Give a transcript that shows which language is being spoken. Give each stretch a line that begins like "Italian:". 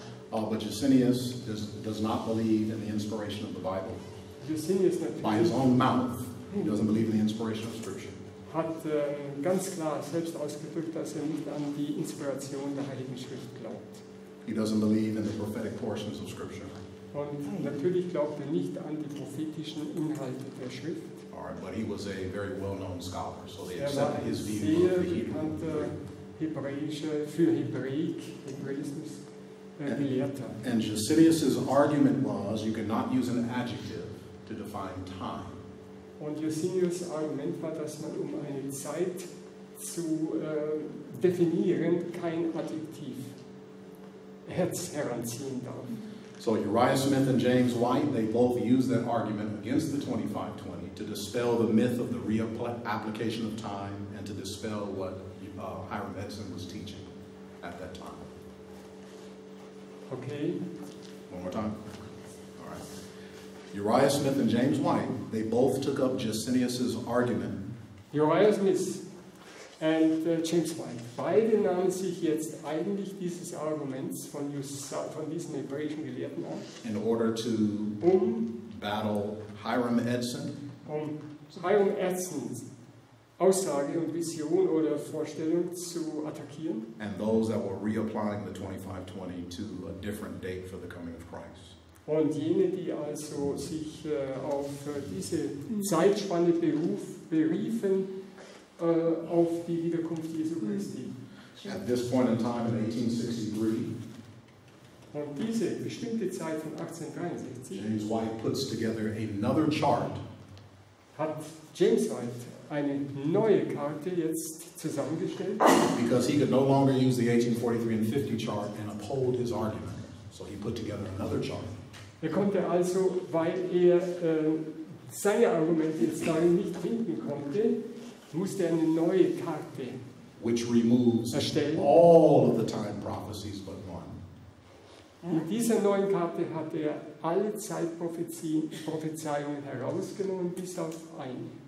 English: But Jesenius does not believe in the inspiration of the Bible. Jesenius, by his own mouth, he doesn't believe in the inspiration of Scripture.
German: Hat ganz klar selbst ausgedrückt, dass er nicht an die Inspiration der Heiligen Schrift glaubt.
English: He doesn't believe in the prophetic portions of Scripture.
German: Und natürlich glaubt er nicht an die prophetischen Inhalte der Schrift.
English: All right, but he was a very well-known scholar, so they accepted his view of the Hebrew.
German: Er war hebräische für Hebräik, Hebräismus, Gelehrter.
English: And Josephus's argument was, you cannot use an adjective to define time.
German: Und Josephus' Argument war, dass man um eine Zeit zu definieren kein Adjektiv heranziehen darf.
English: So Uriah Smith and James White, they both use that argument against the 2520 to dispel the myth of the reapplication of time and to dispel what Hiram Edson was teaching at that time. Okay. One more time. All right. Uriah Smith and James White, they both took up Jesenius' argument.
German: Uriah Smith and James White, beide nahmen sich jetzt eigentlich dieses Arguments von diesen hebräischen Gelehrten an.
English: In order to battle Hiram Edson.
German: Um Hiram Edson's Aussage und Vision oder Vorstellung zu attackieren.
English: And those that were reapplying the 2520 to a different date for the coming of Christ.
German: Und jene, die also sich auf diese Zeitspanne beriefen, auf die Wiederkunft Jesu Christi.
English: At this point in time in 1863,
German: und diese bestimmte Zeit von 1863,
English: James White puts together another chart.
German: Hat James White eine neue Karte jetzt zusammengestellt?
English: Because he could no longer use the 1843 and 50 chart and uphold his argument. So he put together another chart.
German: Er konnte also, weil er seine Argumente jetzt darin nicht finden konnte, musste eine neue Karte
English: which removes
German: erstellen.
English: All of the time prophecies but one.
German: Mit dieser neuen Karte hat er alle Zeitprophezeiungen herausgenommen, bis auf eine.